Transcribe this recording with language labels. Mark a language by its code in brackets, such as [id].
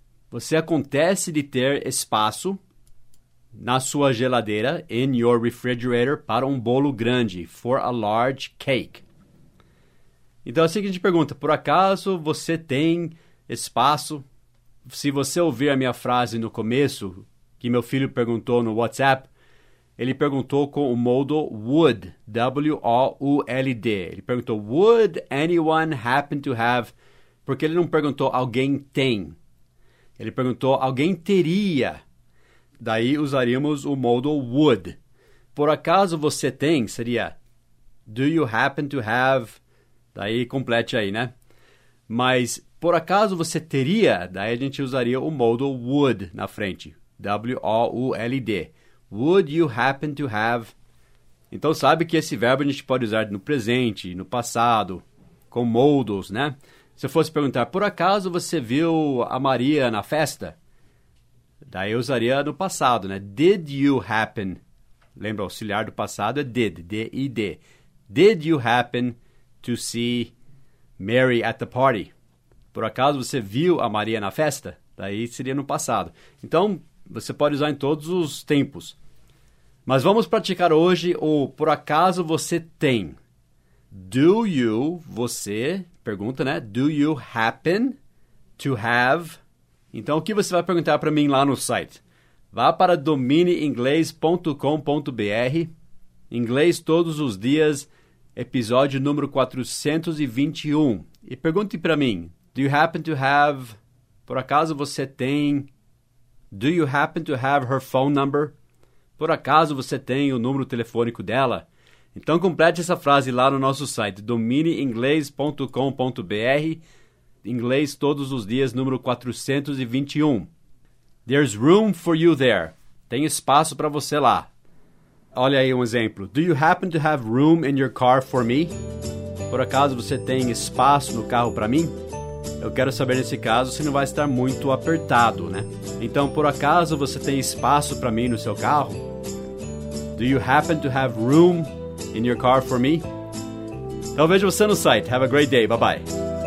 [pt] Você acontece de ter espaço na sua geladeira, [en] in your refrigerator, [pt] para um bolo grande, [en] for a large cake. [pt] Então, assim que a gente pergunta, por acaso você tem espaço? Se você ouvir a minha frase no começo, que meu filho perguntou no WhatsApp, ele perguntou com o modal would, W-O-U-L-D. [en] Ele perguntou, would anyone happen to have? [pt] Porque ele não perguntou, alguém tem. Ele perguntou, alguém teria. Daí usaríamos o modal would. Por acaso você tem, seria, [en] do you happen to have? [pt] Daí complete aí, né? Mas, por acaso você teria, daí a gente usaria o modal would na frente, W-O-U-L-D. [en] Would you happen to have? [pt] Então, sabe que esse verbo a gente pode usar no presente, no passado, com modals, né? Se eu fosse perguntar, por acaso você viu a Maria na festa? Daí eu usaria no passado, né? [en] Did you happen? [pt] Lembra, o auxiliar do passado é did, D-I-D. [en] Did you happen to see Mary at the party? [pt] Por acaso você viu a Maria na festa? Daí seria no passado. Então, você pode usar em todos os tempos. Mas vamos praticar hoje o por acaso você tem. [en] Do you, [pt] você, pergunta, né? [en] Do you happen to have? [pt] Então, o que você vai perguntar para mim lá no site? Vá para dominiinglês.com.br. Inglês Todos os Dias, episódio número 421. E pergunte para mim. [en] Do you happen to have? [pt] Por acaso você tem? [en] Do you happen to have her phone number? [pt] Por acaso você tem o número telefônico dela? Então complete essa frase lá no nosso site, domineinglês.com.br, inglês todos os dias, número 421. [en] There's room for you there. [pt] Tem espaço para você lá. Olha aí um exemplo. [en] Do you happen to have room in your car for me? [pt] Por acaso você tem espaço no carro para mim? Eu quero saber nesse caso se não vai estar muito apertado, né? Então, por acaso você tem espaço para mim no seu carro? [en] Do you happen to have room in your car for me? [pt] Então, vejo você no site. [en] Have a great day. Bye-bye.